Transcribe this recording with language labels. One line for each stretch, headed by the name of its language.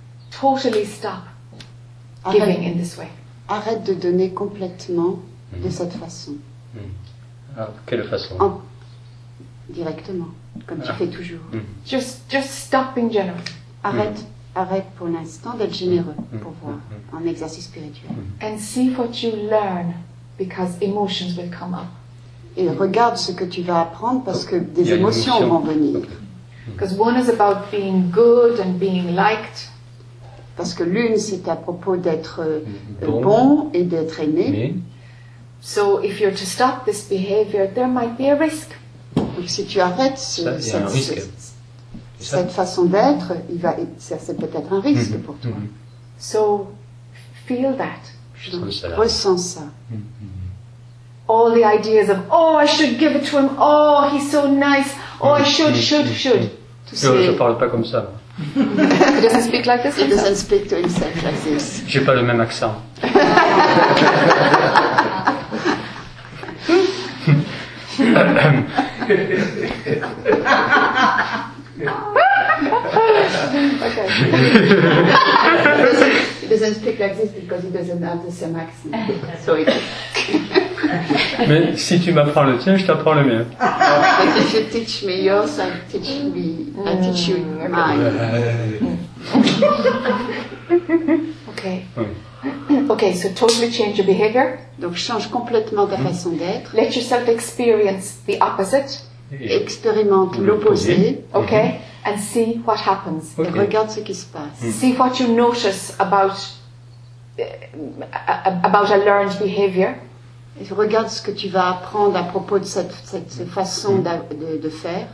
English: Totally stop giving in this way.
French: Arrête de donner complètement de cette façon. Alors, quelle façon? Directement, comme tu fais toujours.
English: Just stop being generous.
French: Arrête pour l'instant d'être généreux pour voir en exercice spirituel.
English: And see what you learn because emotions will come up.
French: Et regarde ce que tu vas apprendre parce que des émotions vont venir.
English: Because one is about being good and being liked.
French: Parce que l'une, c'est à propos d'être bon et d'être aimé.
English: So if you're to stop this behavior, there might be a risk.
French: Donc si tu arrêtes cette façon d'être, c'est peut-être un risque pour toi. Mm-hmm.
English: So feel that.
French: Ressens ça.
English: All the ideas of, oh, I should give it to him. Oh, he's so nice. Oh, I should.
French: Je ne parle pas comme ça.
English: He doesn't speak like this. He doesn't speak to himself like this.
French: J'ai pas le même accent.
English: Okay. He doesn't speak like this because he doesn't have the same accent. So it.
French: Mais si tu m'apprends le tien, je t'apprends le mien.
English: But if you teach me yours, I teach you mine. Okay. Okay, so totally change your behavior.
French: Donc change complètement ta façon d'être.
English: Let yourself experience the opposite.
French: Expérimente l'opposé.
English: Okay. and see what happens.
French: Okay. Et regarde ce qui se passe. Mm.
English: See what you notice about a learned behavior.
French: Et regarde ce que tu vas apprendre à propos de cette façon de faire.